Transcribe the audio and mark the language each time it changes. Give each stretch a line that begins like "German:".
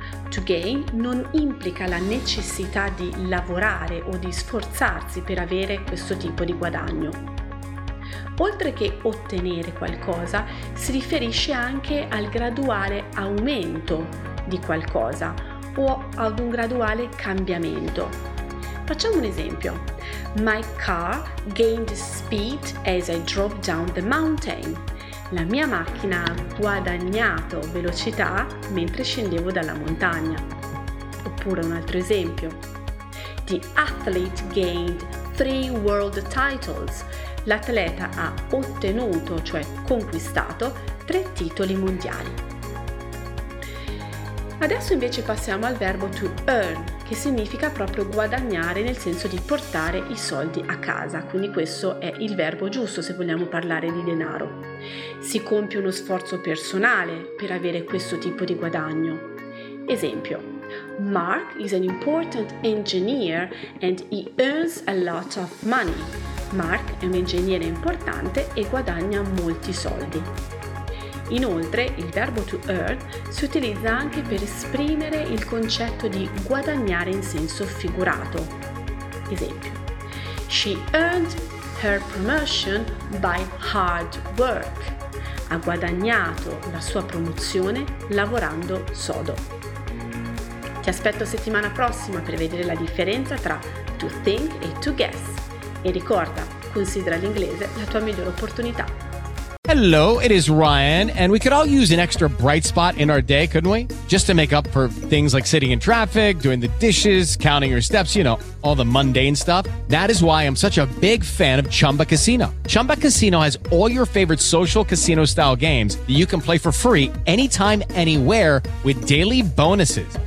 Italian: To gain non implica la necessità di lavorare o di sforzarsi per avere questo tipo di guadagno. Oltre che ottenere qualcosa, si riferisce anche al graduale aumento di qualcosa o ad un graduale cambiamento. Facciamo un esempio.
English: My car gained speed as I drove down the mountain.
Italian: La mia macchina ha guadagnato velocità mentre scendevo dalla montagna. Oppure un altro esempio.
English: The athlete gained 3 world titles.
Italian: L'atleta ha ottenuto, cioè conquistato, 3 titoli mondiali. Adesso invece passiamo al verbo to earn, che significa proprio guadagnare nel senso di portare i soldi a casa, quindi questo è il verbo giusto se vogliamo parlare di denaro. Si compie uno sforzo personale per avere questo tipo di guadagno. Esempio:
English: Mark is an important engineer and he earns a lot of money.
Italian: Mark è un ingegnere importante e guadagna molti soldi. Inoltre, il verbo to earn si utilizza anche per esprimere il concetto di guadagnare in senso figurato. Esempio:
English: She earned her promotion by hard work.
Italian: Ha guadagnato la sua promozione lavorando sodo. Ti aspetto settimana prossima per vedere la differenza tra to think e to guess. E ricorda, considera l'inglese la tua migliore opportunità.
English: Hello, it is Ryan, and we could all use an extra bright spot in our day, couldn't we? Just to make up for things like sitting in traffic, doing the dishes, counting your steps, you know, all the mundane stuff. That is why I'm such a big fan of Chumba Casino. Chumba Casino has all your favorite social casino style games that you can play for free anytime, anywhere with daily bonuses.